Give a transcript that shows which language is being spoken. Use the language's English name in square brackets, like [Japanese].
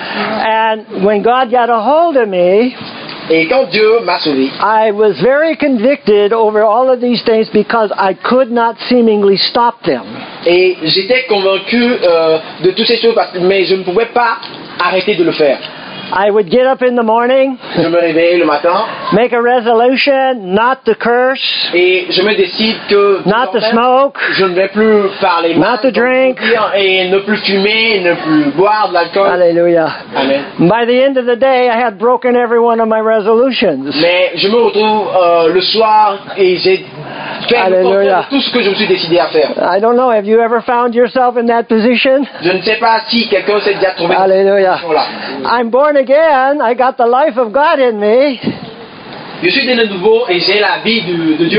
[English] And when God got a hold of me, [French] et quand Dieu m'a sauvé, [English] I was very convicted over all of these things because I could not seemingly stop them. [French] Et j'étais convaincu de toutes ces choses parce que mais je ne pouvais pas arrêter de le faire. [English] I would get up in the morning, [French] je me réveille le matin, [English] make a resolution not to curse, [French] et je me décide que [English] not to smoke, [French] je ne vais plus parler [English] not [French] mal, [English] to drink, [French] et ne plus fumer, ne plus boire de l'alcool. Alléluia. Amen. [English] By the end of the day, I had broken every one of my resolutions. [French] Mais je me retrouve le soir et j'ai fait Alléluia. Tout ce que je me suis décidé à faire. [English] I don't know, have you ever found yourself in that position? [French] Je ne sais pas si quelqu'un s'est déjà trouvé Alléluia. Dans cette position-là. [English] I'm born again, I got the life of God in me. [French] Je suis né de nouveau et j'ai la vie de Dieu.